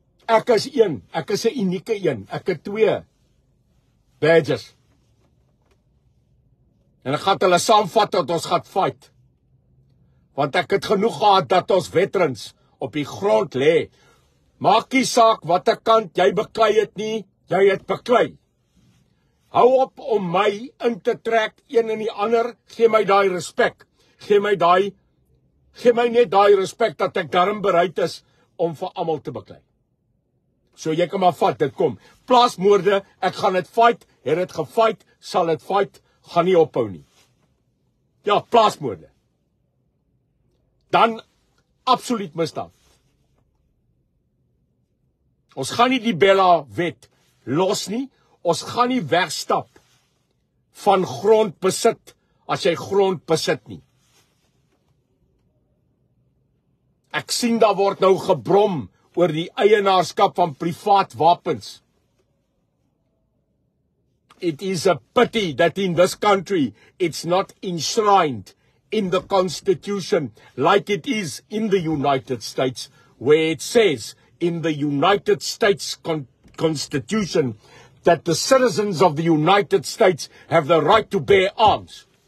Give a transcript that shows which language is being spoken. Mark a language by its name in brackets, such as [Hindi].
[Afrikaans] Ek is een, ek is 'n unieke een, ek het 2 badges. En ek gaan hulle saamvat dat ons gaan fight. Want ek het genoeg gehad dat ons veterans op die grond lê. Maak nie saak watter kant jy beklei het nie, jy het beklei. Hou op om my in te trek, een en die ander, gee my daai respek. Gee my net daai respek dat ek daarom bereid is om vir almal te beklei. So jy kan maar vat, dit kom. Plaasmoorde, ek gaan dit fight, het dit gefight, sal dit fight, gaan nie ophou nie. Ja, plaasmoorde. Dan, absoluut misdaad. Ons gaan nie die Bella wet los nie, Ons gaan nie wegstap van grondbesit as jy grond besit nie. Ek sien daar word nou gebrom oor die eienaarskap van privaat wapens. [English] It is a pity that in this country it's not enshrined in the Constitution like it is in the United States, where it says in the United States Constitution that the citizens of the United States have the right to bear arms.